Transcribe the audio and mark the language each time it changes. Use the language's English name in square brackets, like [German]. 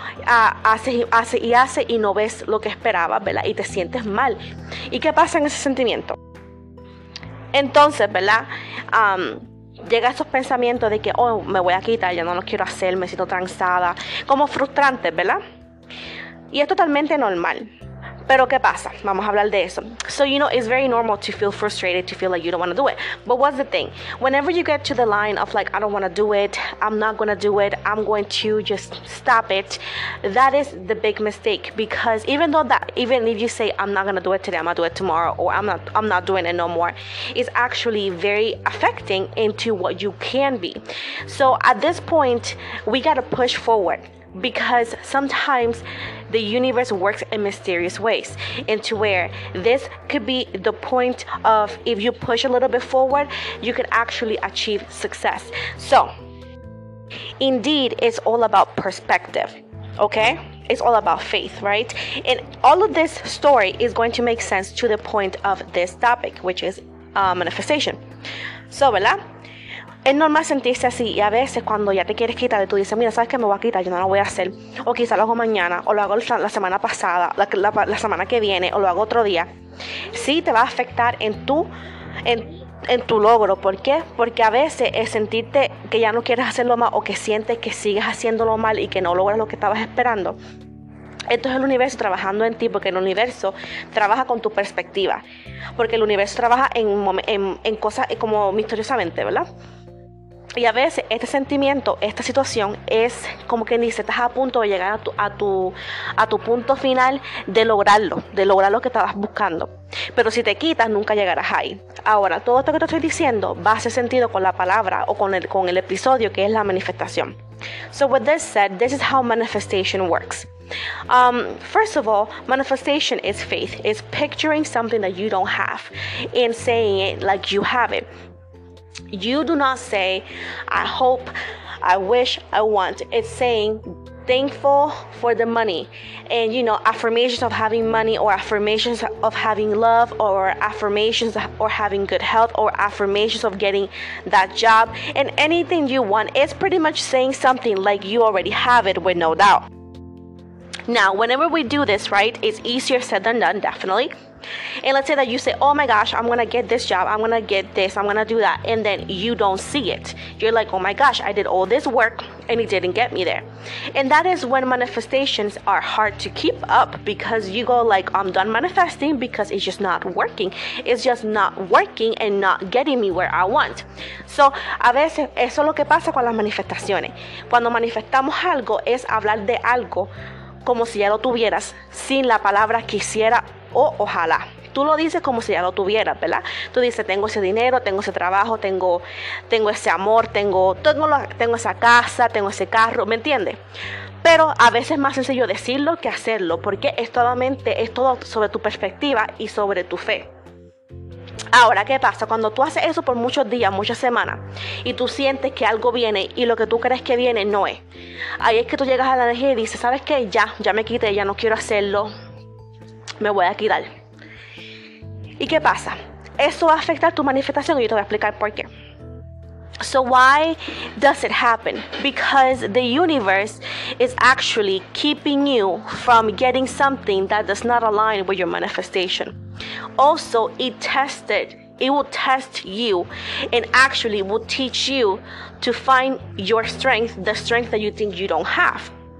[Spanish] Haces y no ves lo que esperabas, ¿verdad? Y te sientes mal. ¿Y qué pasa en ese sentimiento? Entonces, ¿verdad? llega esos pensamientos de que, oh, me voy a quitar, ya no lo quiero hacer, me siento transada, como frustrantes, ¿verdad? Y es totalmente normal. Pero ¿qué pasa? Vamos a hablar de eso. [English] So, you know, it's very normal to feel frustrated, to feel like you don't want to do it. But what's the thing? Whenever you get to the line of like, I don't want to do it, I'm not going to do it, I'm going to just stop it, that is the big mistake. Because even if you say, I'm not going to do it today, I'm going to do it tomorrow, or I'm not doing it no more, it's actually very affecting into what you can be. So at this point, we got to push forward. Because sometimes the universe works in mysterious ways, into where this could be the point of, if you push a little bit forward, you could actually achieve success. So indeed, it's all about perspective, okay? It's all about faith, right? And all of this story is going to make sense to the point of this topic, which is manifestation. [Spanish] So, ¿verdad? Es normal sentirse así, y a veces cuando ya te quieres quitar y tú dices, mira, sabes que me voy a quitar, yo no lo voy a hacer, o quizá lo hago mañana, o lo hago la semana pasada, la semana que viene, o lo hago otro día, sí te va a afectar en tu logro. ¿Por qué? Porque a veces es sentirte que ya no quieres hacerlo más, o que sientes que sigues haciéndolo mal y que no logras lo que estabas esperando. Esto es el universo trabajando en ti, porque el universo trabaja con tu perspectiva, porque el universo trabaja en cosas como misteriosamente, ¿verdad? Y a veces este sentimiento, esta situación, es como que dices, estás a punto de llegar a tu punto final de lograr lo que estabas buscando. Pero si te quitas, nunca llegarás ahí. Ahora, todo esto que te estoy diciendo va a hacer sentido con la palabra o con el episodio, que es la manifestación. [English] So with this said, this is how manifestation works. First of all, manifestation is faith. It's picturing something that you don't have and saying it like you have it. You do not say, I hope, I wish, I want. It's saying thankful for the money, and you know, affirmations of having money, or affirmations of having love, or affirmations of having good health, or affirmations of getting that job, and anything you want. It's pretty much saying something like you already have it, with no doubt. Now, whenever we do this, right, it's easier said than done, definitely. And let's say that you say, oh my gosh, I'm gonna get this job, I'm gonna get this, I'm gonna do that, and then you don't see it. You're like, oh my gosh, I did all this work and it didn't get me there. And that is when manifestations are hard to keep up, because you go like, I'm done manifesting because it's just not working. It's just not working and not getting me where I want. [Spanish] So, a veces, eso es lo que pasa con las manifestaciones. Cuando manifestamos algo, es hablar de algo como si ya lo tuvieras, sin la palabra quisiera o ojalá. Tú lo dices como si ya lo tuvieras, ¿verdad? Tú dices, tengo ese dinero, tengo ese trabajo, tengo ese amor, tengo esa casa, tengo ese carro, ¿me entiendes? Pero a veces es más sencillo decirlo que hacerlo, porque es toda mente, es todo sobre tu perspectiva y sobre tu fe. Ahora, ¿qué pasa? Cuando tú haces eso por muchos días, muchas semanas, y tú sientes que algo viene y lo que tú crees que viene no es, ahí es que tú llegas a la energía y dices, ¿sabes qué? Ya me quité, ya no quiero hacerlo, me voy a quitar. ¿Y qué pasa? Eso va a afectar tu manifestación y yo te voy a explicar por qué. [English] So why does it happen? Because the universe is actually keeping you from getting something that does not align with your manifestation. Also, it will test you, and actually will teach you to find your strength, the strength that you think you don't have.